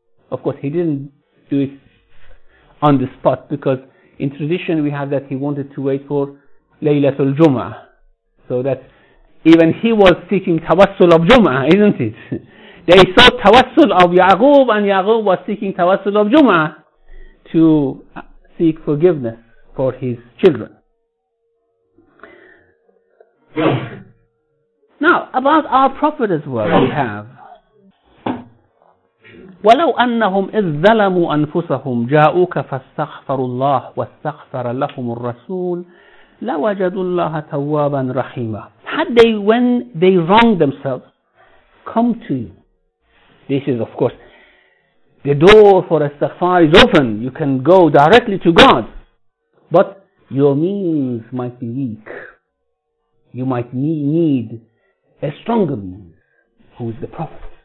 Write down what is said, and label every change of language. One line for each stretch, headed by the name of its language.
English: Of course, he didn't do it on the spot, because in tradition we have that he wanted to wait for Laylatul Jum'ah, so that even he was seeking Tawassul of Jum'ah, isn't it? They sought Tawassul of Ya'qub, and Ya'qub was seeking Tawassul of Jum'ah to seek forgiveness for his children. Now, about our Prophet as well, we have
Arabic: وَلَوْ أَنَّهُمْ إِذْ ظَلَمُوا أَنفُسَهُمْ جَاءُوكَ فَاسْتَغْفَرُوا اللَّهُ وَاسْتَغْفَرَ لَهُمُ الرَّسُولُ لَوَجَدُوا اللَّهَ تَوَّابًا رَحِيمًا.
English: Had they, when they wronged themselves, come to you. This is, of course, the door for istighfar is open. You can go directly to God. But your means might be weak. You might need a stronger means, who is the Prophet.